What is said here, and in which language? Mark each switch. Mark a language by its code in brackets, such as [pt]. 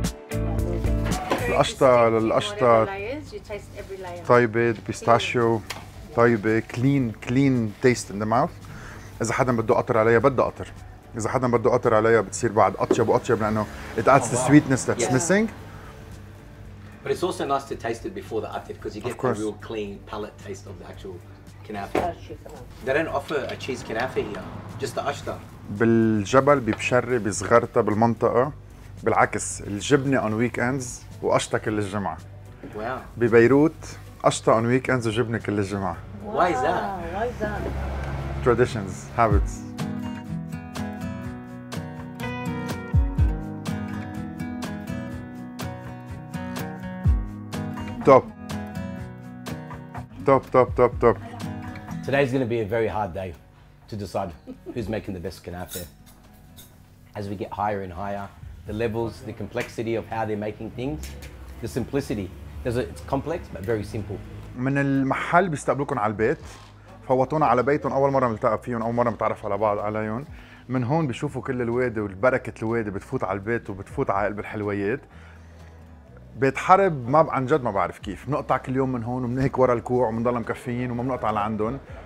[ar] القشطة للقشطة طيبة، البيستاشيو طيبة، [en] Clean taste in the mouth. [ar] إذا حدا بده قطر عليها بده قطر، إذا حدا بده قطر عليها بتصير بعد أطيب وأطيب لأنه [en] it adds the sweetness that's missing. But it's also nice to taste it before the atif because you get the real clean palate taste of the actual knafeh. They don't offer a cheese knafeh here, just the ashta. [ar] بالجبل ببشري بصغرته بالمنطقة بالعكس الجبنة [en] on weekends [ar] وأشتا كل الجمعة. [en] Wow. [ar] ببيروت أشتا [en] on weekends [ar] وجبنة كل الجمعة. [en] Why is that? Why is that? Traditions, habits. Top. Today's going to be a very hard day to decide who's making the best knafeh. As we get higher and higher, the levels, the complexity of how they're making things, the simplicity. It's complex but very simple. [ar] من المحل بيستقبلوكم على البيت، فوتونا على بيتهم أول مرة ملتقى فيهم، أول مرة متعرف على بعض عليهم. من هون بيشوفوا كل الوادي والبركة الوادي بتفوت على البيت وبتفوت على قلب الحلويات. بيت حرب ما عن جد ما بعرف كيف بنقطع كل يوم من هون ومن هيك ورا الكوع وبنضل مكفيين وما بنقطع لعندهم.